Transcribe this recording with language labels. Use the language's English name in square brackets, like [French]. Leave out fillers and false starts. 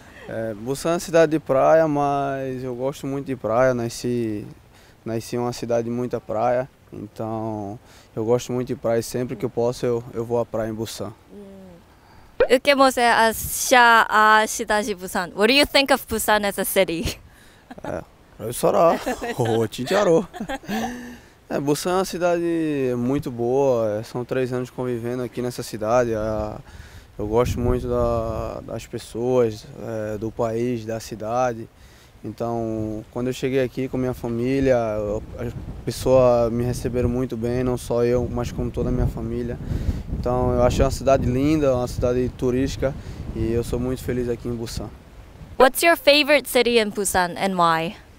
[Portuguese] É, Busan é cidade de praia, mas eu gosto muito de praia, nasci em uma cidade de muita praia, então eu gosto muito de praia, sempre que eu posso eu vou à praia em Busan. O que você acha da cidade de Busan? [English] What do you think of Busan as a city? [Portuguese] É, será? Tintiaro. É, Busan é uma cidade muito boa, são 3 anos convivendo aqui nessa cidade. Eu gosto muito das pessoas, do país, da cidade. Então, quando eu cheguei aqui com minha família, as pessoas me receberam muito bem, não só eu, mas como toda a minha família. Então, eu achei uma cidade linda, uma cidade turística, e eu sou muito feliz aqui em Busan. [English] What's your favorite city in Busan and why?